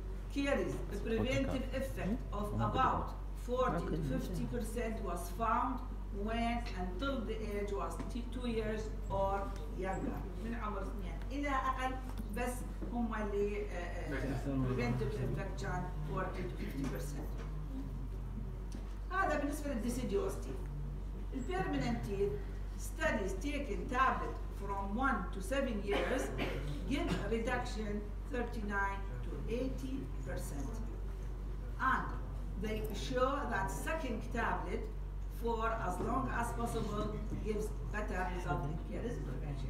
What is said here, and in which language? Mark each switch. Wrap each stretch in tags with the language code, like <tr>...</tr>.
<en>Here is the preventive effect of about 40 to 50% was found when until the age was 2 years or younger.</en> <ar>من عمر اثنين إلى أقل، بس هم اللي</ar> <en>preventive effect</en> <ar>كان 40 to 50%. هذا بالنسبة للديسيديوس تيف.</ar> <en>البيرمننت teeth studies taking tablet from 1 to 7 years give a reduction 39 to 80%. And they show that sucking tablet for as long as possible gives better result in caries prevention.</en>